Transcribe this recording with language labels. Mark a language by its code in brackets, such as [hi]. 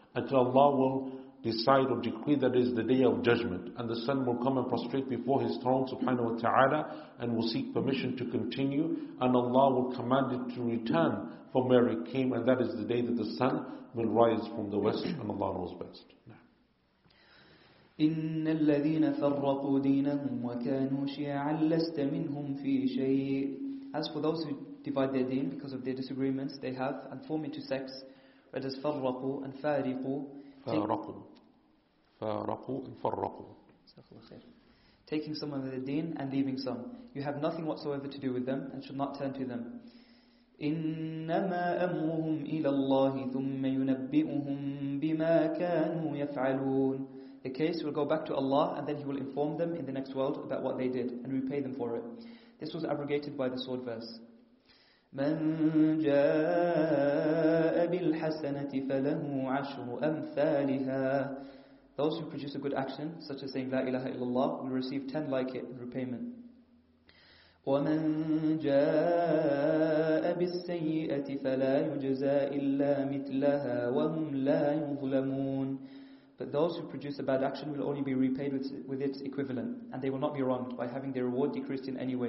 [en] Until Allah will decide or decree that is the day of judgment, and the sun will come and prostrate before His throne subhanahu wa ta'ala and will seek permission to continue, and Allah will command it to return from where it came, and that is the day that the sun will rise from the west, and Allah knows best. [ar] إن الذين فرقوا دينهم وكانوا شيعا لست منهم في شيء. [en] As for those who divide their deen because of their disagreements they have and form into sects, but as [ar] فرقوا [en] and [ar] فارقوا. فارقوا. [en] Taking some of their deen and leaving some. You have nothing whatsoever to do with them and should not turn to them. [ar] إنما أمرهم إلى الله ثم ينبئهم بما كانوا يفعلون. [en] The case will go back to Allah and then He will inform them in the next world about what they did and repay them for it. This was abrogated by the sword verse. [ar] من جاء بالحسنة فله عشر أمثالها. [en] Those who produce a good action, such as saying La ilaha illallah, will receive 10 like it in repayment. [ar] وَمَنْ جَاءَ بِالسَّيِّئَةِ فَلَا يُجْزَى إِلَّا مِثْلَهَا وَهُمْ لَا يُظْلَمُونَ. [en] But those who produce a bad action will only be repaid with its equivalent, and they will not be wronged by having their reward decreased in any way.